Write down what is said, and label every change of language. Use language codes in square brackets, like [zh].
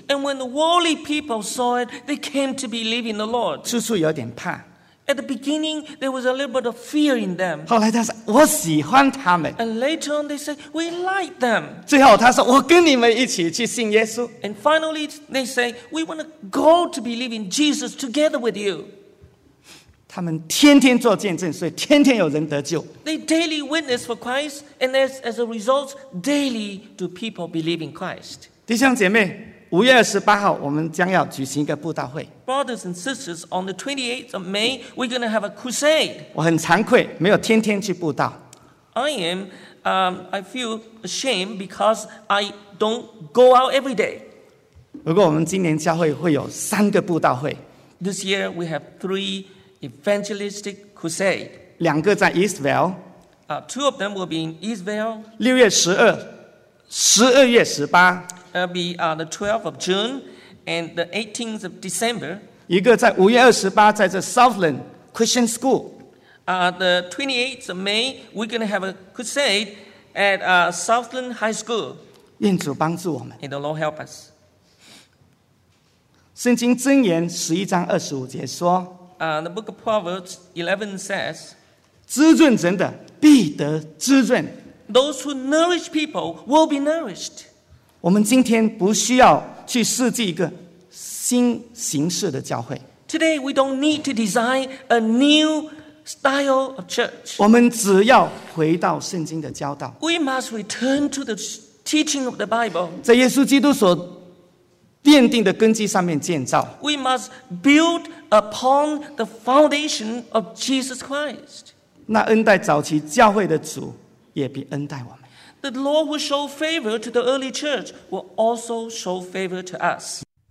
[en] And when the worldly people saw it, they came to believe in the Lord. [zh] 处处有点怕。 [en] At the beginning, there was a little bit of fear in them. [zh] 后来他说，我喜欢他们。 [en] And later on, they said, we like them. [zh] 最后他说，我跟你们一起去信耶稣。 [en] And finally, they say, we want to go to believe in Jesus together with you. [zh] 他们天天做见证，所以天天有人得救。 [en] They daily witness for Christ, and as a result, daily do people believe in Christ. [zh] 弟兄姐妹，5月28号我们将要举行一个布道会。 [en] Brothers and sisters, on the 28th of May, we're going to have a crusade. [zh] 我很惭愧，没有天天去布道。 [en] I feel ashamed because I don't go out every day. [zh] 不过我们今年教会会有三个布道会。 [en] This year we have 3 evangelistic crusade. [zh] 两个在 Eastvale. [en] Two of them will be in Eastvale. [zh] 6月12, 12月18。 [en] It'll be the 12th of June and the 18th of December. [zh] 一个在5月28在这 Southland Christian School. [en] The 28th of May, we're going to have a crusade at Southland High School. [zh] 愿主帮助我们。 [en] May the Lord help us. [zh] 圣经箴言11章25节说， [en] The book of Proverbs 11 says, [zh] 滋润人的必得滋润。 [en] Those who nourish people will be nourished. [zh] 我们今天不需要去设计一个新形式的教会。 [en] Today we don't need to design a new style of church. [zh] 我们只要回到圣经的教导。 [en] We must return to the teaching of the Bible. [zh] 在耶稣基督所奠定的根基上面建造。 [en] We must build upon the foundation of Jesus Christ. [zh] 那恩待早期教会的主也必恩待我们。 [en] The Lord who showed favor to the early church will also show favor to us.